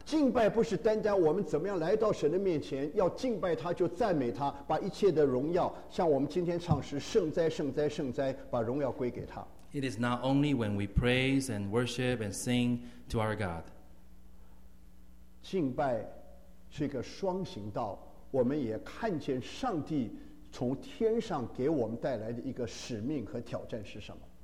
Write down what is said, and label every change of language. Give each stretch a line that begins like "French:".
Chinese: 敬拜不是单单我们怎么样来到神的面前，要敬拜他就赞美他，把一切的荣耀，像我们今天唱诗，圣哉圣哉圣哉，把荣耀归给他。
English: It is not only when we praise and worship and sing to our God.
Chinese: 敬拜是一个双行道，我们也看见上帝从天上给我们带来的一个使命和挑战是什么。